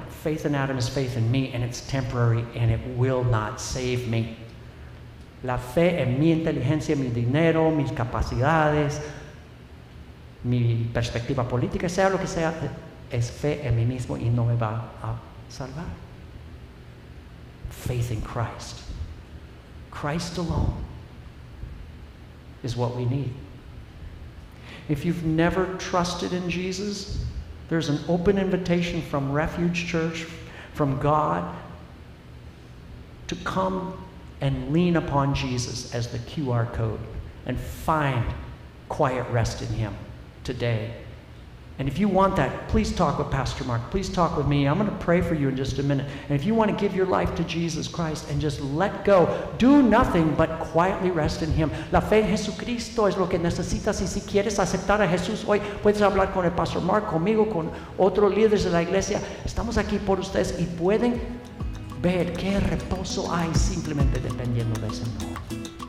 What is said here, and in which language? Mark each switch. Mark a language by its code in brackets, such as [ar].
[en] Faith in Adam is faith in me, and it's temporary, and it will not save me. [es] La fe en mi inteligencia, mi dinero, mis capacidades, mi perspectiva política, sea lo que sea, es fe en mí mismo y no me va a salvar. [en] Faith in Christ. Christ alone is what we need. If you've never trusted in Jesus, there's an open invitation from Refuge Church, from God, to come and lean upon Jesus as the QR code and find quiet rest in him today And if you want that, please talk with Pastor Mark. Please talk with me. I'm going to pray for you in just a minute. And if you want to give your life to Jesus Christ and just let go, do nothing but quietly rest in Him. [es] La fe en Jesucristo es lo que necesitas. Y si quieres aceptar a Jesús hoy, puedes hablar con el Pastor Mark, conmigo, con otros líderes de la iglesia. Estamos aquí por ustedes y pueden ver qué reposo hay simplemente dependiendo de ese nombre.